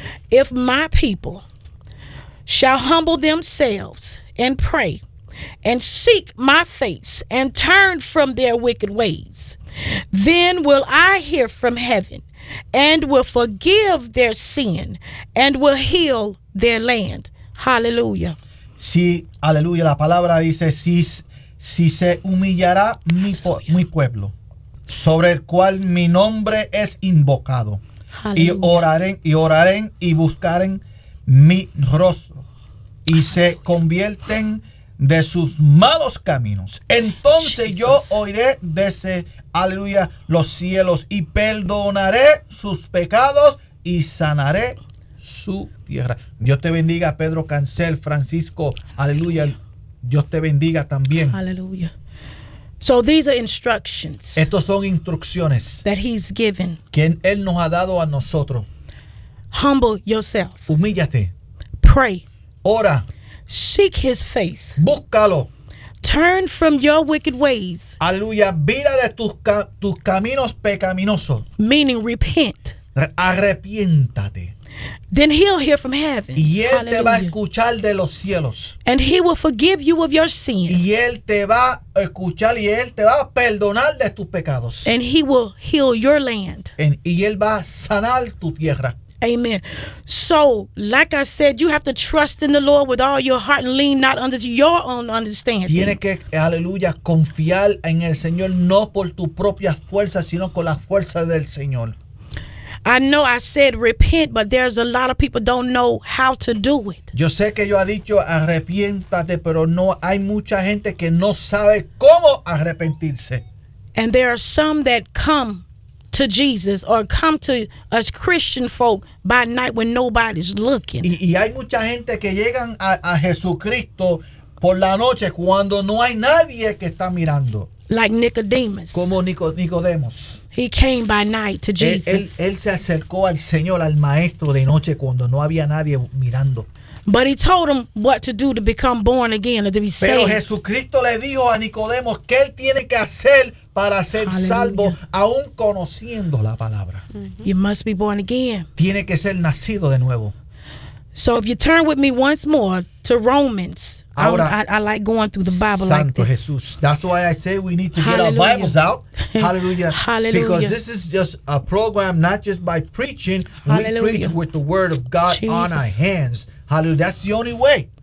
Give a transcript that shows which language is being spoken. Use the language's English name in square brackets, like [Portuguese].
[English] If my people shall humble themselves and pray and seek my face and turn from their wicked ways, then will I hear from heaven and will forgive their sin and will heal their land. Hallelujah. [Spanish] Sí, aleluya, la palabra dice, si se humillará mi pueblo, sobre el cual mi nombre es invocado, Hallelujah. y oraren y buscaren mi rostro, y se convierten de sus malos caminos, entonces Jesus. Yo oiré desde, aleluya, los cielos, y perdonaré sus pecados y sanaré su tierra. Dios te bendiga, Pedro Cancel, Francisco, aleluya. Dios te bendiga también. Aleluya. [English] So these are instructions. [Spanish] Estos son instrucciones. [English] That he's given. [Spanish] Que él nos ha dado a nosotros. [English] Humble yourself. [Spanish] Humíllate. [English] Pray. [Spanish] Ora. [English] Seek his face. [Spanish] Búscalo. [English] Turn from your wicked ways. [Spanish] Aleluya, vira de tus caminos pecaminosos. [English] Meaning repent. [Spanish] Arrepiéntate. [English] then he'll hear from heaven. [Spanish] Y él te va a escuchar de los cielos. [English] And he will forgive you of your sins. [Spanish] Y él te va a escuchar y él te va a perdonar de tus pecados. [English] And he will heal your land. [Spanish] Y él va a sanar tu tierra. [English] Amen. So, like I said, you have to trust in the Lord with all your heart and lean not unto your own understanding. [Spanish] Tiene que, aleluya, confiar en el Señor no por tu propia fuerza, sino con la fuerza del Señor. [English] I know I said repent, but there's a lot of people don't know how to do it. [Spanish] Yo sé que yo ha dicho arrepiéntate, pero no hay mucha gente que no sabe cómo arrepentirse. [English] And there are some that come to Jesus or come to us Christian folk by night when nobody's looking. [Spanish] Y hay mucha gente que llegan a Jesucristo por la noche cuando no hay nadie que está mirando. [English] Like Nicodemus. [Spanish] Como Nicodemus. [English] He came by night to Jesus. [Spanish] Él se acercó al Señor, al Maestro de noche cuando no había nadie mirando. [English] But he told him what to do to become born again or to be saved. [Spanish] Pero Jesucristo le dijo a Nicodemus qué él tiene que hacer para ser Hallelujah. Salvo aún conociendo la palabra. [English] Mm-hmm. You must be born again. [Spanish] Tiene que ser nacido de nuevo. [English] So if you turn with me once more to Romans. [Spanish] Ahora, [English] I like going through the Bible [Spanish] Santo [English] like this. Jesus. That's why I say we need to Hallelujah. Get our Bibles out. Hallelujah. Hallelujah. Because this is just a program, not just by preaching. Hallelujah. We preach with the word of God Jesus. On our hands. Hallelujah. That's the only way.